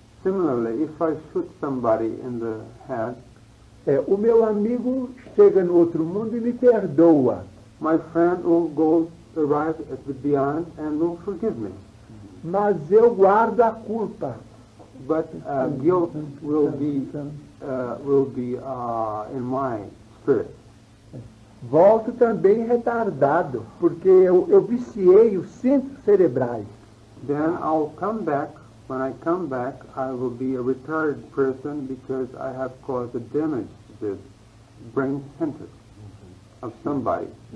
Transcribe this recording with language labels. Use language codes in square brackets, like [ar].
[en] Similarly, if I shoot somebody in the head, [pt] O meu amigo chega no outro mundo e me perdoa. [en] My friend will go arrive at the beyond and will forgive me. [pt] Mas eu guardo a culpa. [en] But guilt will be in my spirit. [pt] Volto também retardado, porque eu viciei os centros cerebrais. [en] Then I'll come back. When I come back, I will be a retarded person because I have caused a damage to the brain center of somebody.